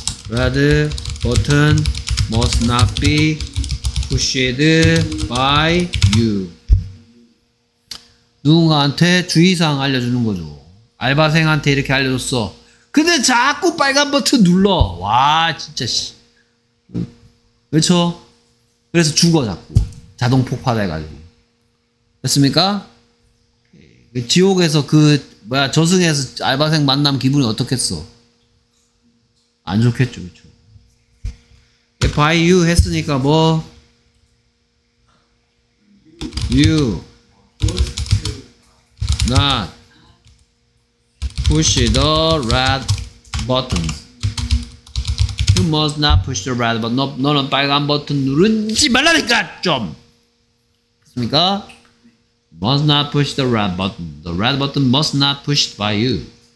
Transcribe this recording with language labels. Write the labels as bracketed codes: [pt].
[en] Red button must not be pushed by you. [ko] 누군가한테 주의사항 알려주는 거죠. 알바생한테 이렇게 알려줬어. 근데 자꾸 빨간 버튼 눌러. 와 진짜 씨. 그렇죠? 그래서 죽어 자꾸. 자동 폭파돼가지고. 됐습니까? 그 지옥에서 그 뭐야 저승에서 알바생 만나면 기분이 어떻겠어? 안 좋겠죠, 그쵸. [en] By you [ko] 했으니까 뭐? [en] You. Not. Push the red button. You must not push the red button. [ko] 너는 빨간 버튼 누르지 말라니까, 좀! [en] 했습니까? Must not push the red button. The red button must not pushed by you.